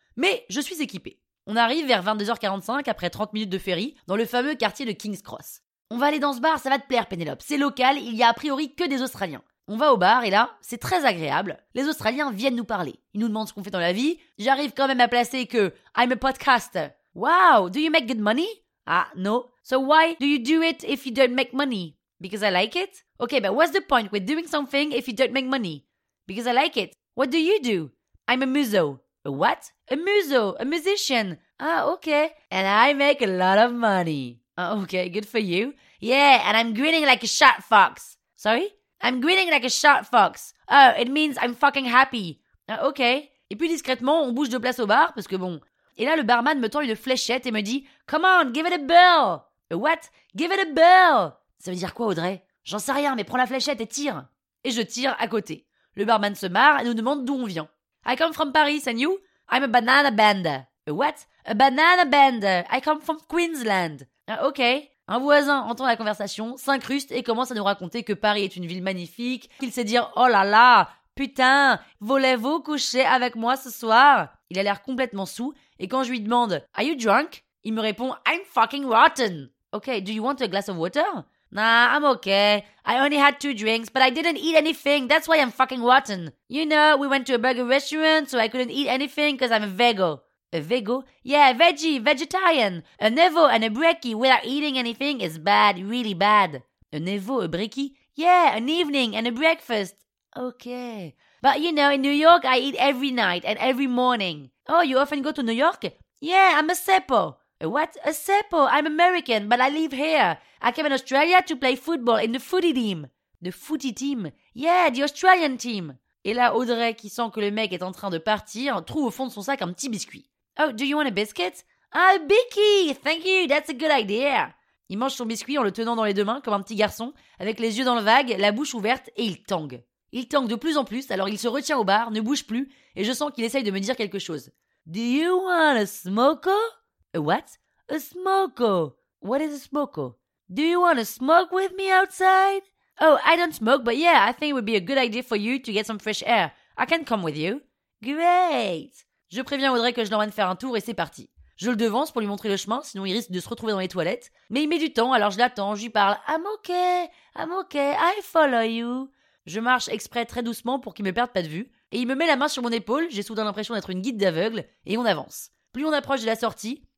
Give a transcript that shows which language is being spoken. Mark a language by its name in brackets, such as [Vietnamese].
[French] Mais je suis équipée. On arrive vers 22h45 après 30 minutes de ferry dans le fameux quartier de King's Cross. On va aller dans ce bar, ça va te plaire Pénélope, c'est local, il y a a priori que des Australiens. On va au bar et là, c'est très agréable, les Australiens viennent nous parler. Ils nous demandent ce qu'on fait dans la vie, j'arrive quand même à placer que « [English] I'm a podcaster ». Wow, do you make good money? Ah, no. So why do you do it if you don't make money? Because I like it? Okay, but what's the point with doing something if you don't make money? Because I like it. What do you do? I'm a muso. A what? A muso, a musician. Ah, okay. And I make a lot of money. Ah, okay, good for you. Yeah, and I'm grinning like a shot fox. Sorry? I'm grinning like a shot fox. Oh, it means I'm fucking happy. Okay. [French] Et puis discrètement, on bouge de place au bar, parce que bon. Et là, le barman me tend une fléchette et me dit, [English] come on, give it a bell. [French] A what? Give it a bell. Ça veut dire quoi, Audrey? J'en sais rien, mais prends la fléchette et tire. Et je tire à côté. Le barman se marre et nous demande d'où on vient. [English] I come from Paris, and you? I'm a banana band. A what? A banana band. I come from Queensland. Okay. [French] Un voisin entend la conversation, s'incruste et commence à nous raconter que Paris est une ville magnifique, qu'il sait dire « Oh là là, putain, voulez-vous coucher avec moi ce soir ?» Il a l'air complètement saoul et quand je lui demande « [English] Are you drunk ?» [French] il me répond « [English] I'm fucking rotten !» Ok, do you want a glass of water ?»« Nah, I'm okay. I only had two drinks, but I didn't eat anything, that's why I'm fucking rotten. You know, we went to a burger restaurant, so I couldn't eat anything because I'm a vego. » A vego? Yeah, veggie, vegetarian. A nevo and a brekkie without eating anything is bad, really bad. A nevo, a brekkie? Yeah, an evening and a breakfast. Okay. But you know, in New York, I eat every night and every morning. Oh, you often go to New York? Yeah, I'm a sepo. A what? A sepo. I'm American, but I live here. I came in Australia to play football in the footy team. The footy team? Yeah, the Australian team. [French] Et là, Audrey, qui sent que le mec est en train de partir, trouve au fond de son sac un petit biscuit. [English] Oh, do you want a biscuit? Ah, a biki! Thank you, that's a good idea! [French] Il mange son biscuit en le tenant dans les deux mains, comme un petit garçon, avec les yeux dans le vague, la bouche ouverte, et il tangue. Il tangue de plus en plus, alors il se retient au bar, ne bouge plus, et je sens qu'il essaye de me dire quelque chose. [English] Do you want a smoko? A what? A smoko. What is a smoko? Do you want a smoke with me outside? Oh, I don't smoke, but yeah, I think it would be a good idea for you to get some fresh air. I can come with you. Great! [French] Je préviens Audrey que je l'emmène faire un tour et c'est parti. Je le devance pour lui montrer le chemin, sinon il risque de se retrouver dans les toilettes. Mais il met du temps, alors je l'attends, je lui parle. [English] I'm okay, I follow you. [French] Je marche exprès très doucement pour qu'il me perde pas de vue. Et il me met la main sur mon épaule, j'ai soudain l'impression d'être une guide d'aveugle, et on avance. Plus on approche de la sortie,